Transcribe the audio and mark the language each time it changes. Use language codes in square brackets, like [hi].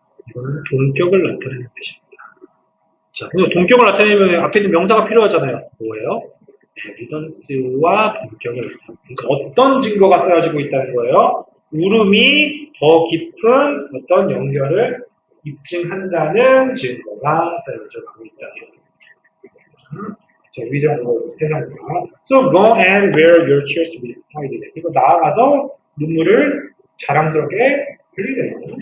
[ko] 이건 동격을 나타내는 것입니다. 자, 동격을 나타내면 앞에 있는 명사가 필요하잖아요. 뭐예요? evidence와 동격을 그러니까 어떤 증거가 쌓여지고 있다는 거예요? 울음이 더 깊은 어떤 연결을 입증한다는 증거가 쌓여져 가고 있다. 자, 이 정도로 해놨다. [en] So go and wear your tears with pride. [ko] 그래서 나아가서 눈물을 자랑스럽게 흘리세요.